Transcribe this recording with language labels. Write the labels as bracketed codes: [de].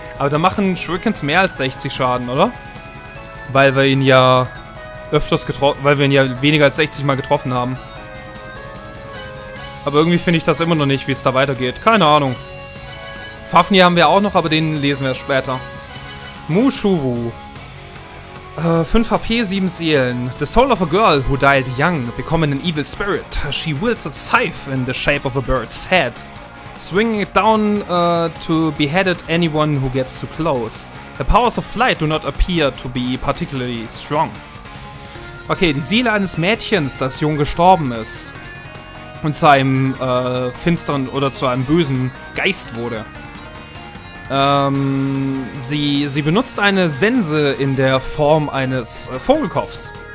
[de] Aber da machen Shurikens mehr als 60 Schaden, oder? Weil wir ihn ja öfters getroffen. Weil wir ihn ja weniger als 60 Mal getroffen haben. Aber irgendwie finde ich das immer noch nicht, wie es da weitergeht. Keine Ahnung. Fafnir haben wir auch noch, aber den lesen wir später. Mushuwu. 5 HP, 7 Seelen. [en] The soul of a girl who died young, becoming an evil spirit. She wields a scythe in the shape of a bird's head. Swinging it down to beheaded anyone who gets too close. The powers of flight do not appear to be particularly strong. [de] Okay, die Seele eines Mädchens, das jung gestorben ist. Und zu einem finsteren oder zu einem bösen Geist wurde. Sie benutzt eine Sense in der Form eines Vogelkopfs.